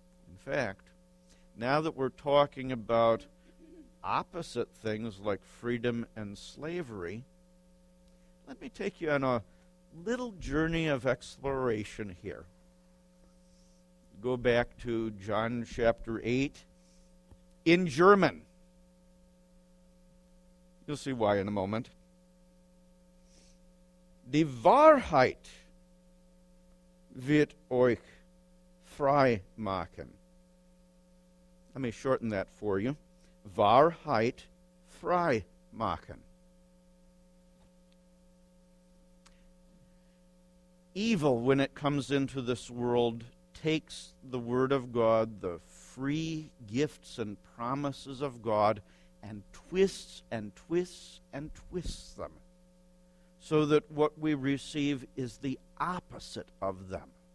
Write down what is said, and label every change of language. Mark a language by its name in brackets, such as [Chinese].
[English] In fact, now that we're talking about opposite things like freedom and slavery, let me take you on a little journey of exploration here. Go back to John chapter 8 in German. You'll see why in a moment. [German] Die Wahrheit wird euch frei machen. [English] Let me shorten that for you. [German] Wahrheit frei machen. [English] Evil, when it comes into this world, takes the Word of God, the free gifts and promises of God, and twists and twists and twists them, so that what we receive is the opposite of them.